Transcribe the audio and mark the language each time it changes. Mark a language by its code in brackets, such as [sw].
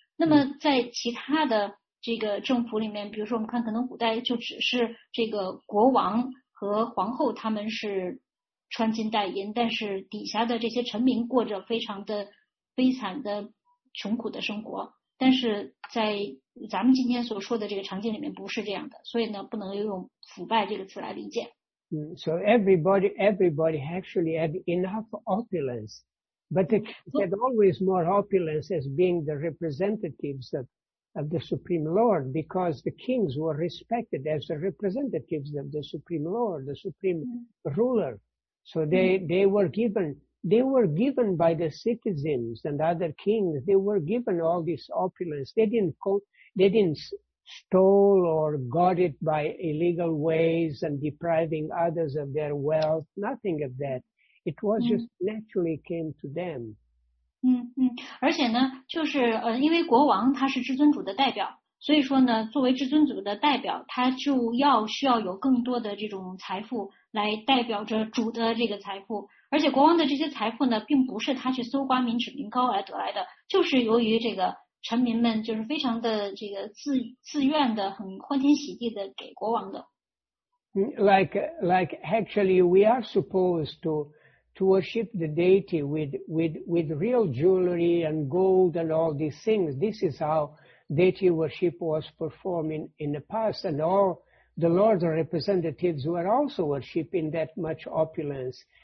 [zh] 那么在其他的这个政府里面，比如说我们看可能古代就只是这个国王和皇后他们是穿金戴银，但是底下的这些臣民过着非常的悲惨的穷苦的生活，但是在咱们今天所说的这个场景里面不是这样的，所以呢不能用腐败这个词来理解。 [en] So everybody actually had enough opulence, but they had always more opulence as being the representatives of the Supreme Lord, because the kings were respected as the representatives of the Supreme Lord, the Supreme Ruler. So they were given by the citizens and other kings, they were given all this opulence. They didn't steal or got it by illegal ways and depriving others of their wealth, nothing of that. It was just naturally came to them. [zh] 而且呢就是因为国王他是至尊主的代表，所以说呢作为至尊主的代表，他就要需要有更多的这种财富来代表着主的这个财富。而且国王的这些财富呢并不是他去搜刮民脂民膏而得来的，就是由于这个臣民们就是非常的这个自愿的很欢天喜地的给国王的。 [en] Like actually we are supposed to to worship the deity with real jewelry and gold and all these things. This is how deity worship was performed in the past, and all the Lord's representatives were also worshiping that much opulence.